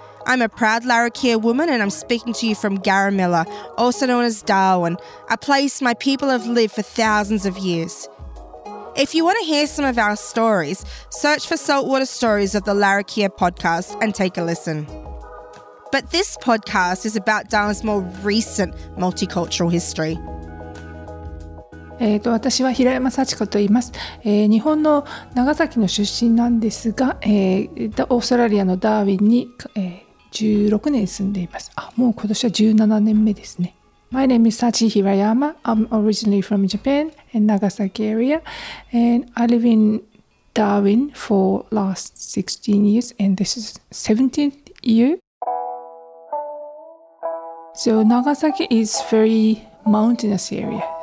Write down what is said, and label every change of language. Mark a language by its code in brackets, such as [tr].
[en] I'm a proud Larrakia woman, and I'm speaking to you from Garamilla, also known as Darwin, a place my people have lived for thousands of years. If you want to hear some of our stories, search for Saltwater Stories of the Larrakia podcast and take a listen. But this podcast is about Darwin's more recent multicultural history. [ja] 私は平山幸子と言います、日本の長崎の出身なんですが、オーストラリアのダーウィンに、16年住んでいます。あ、もう今年は17年目ですね。 [en] My name is Sachi Hirayama. I'm originally from Japan in Nagasaki area, and I live in Darwin for last 16 years, and this is 17th year. So Nagasaki is very mountainous area.